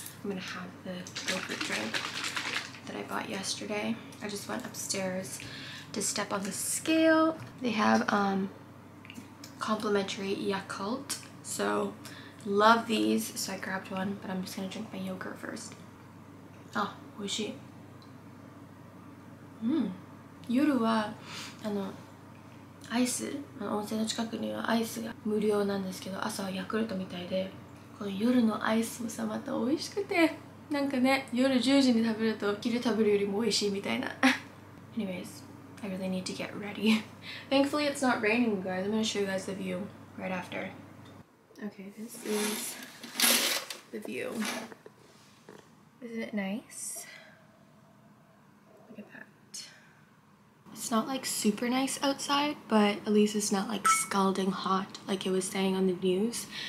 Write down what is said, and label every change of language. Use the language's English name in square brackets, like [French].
[English] I'm gonna have the yogurt drink that I bought yesterday. I just went upstairs to step on the scale. They have complimentary Yakult. So love these. So I grabbed one, but I'm just gonna drink my yogurt first. [Japanese] Ah, oishii. Yoru wa アイス、温泉の近くにはアイスが無料なんですけど、朝はヤクルトみたいで、この夜のアイスもさ、また美味しくて、なんかね、夜10時に食べると、昼食べるよりも美味しいみたいな。 [English] Anyways, I really need to get ready. Thankfully, it's not raining, guys. I'm gonna show you guys the view right after. Okay, this is the view. Is it nice? It's not like super nice outside, but at least it's not like scalding hot like it was saying on the news.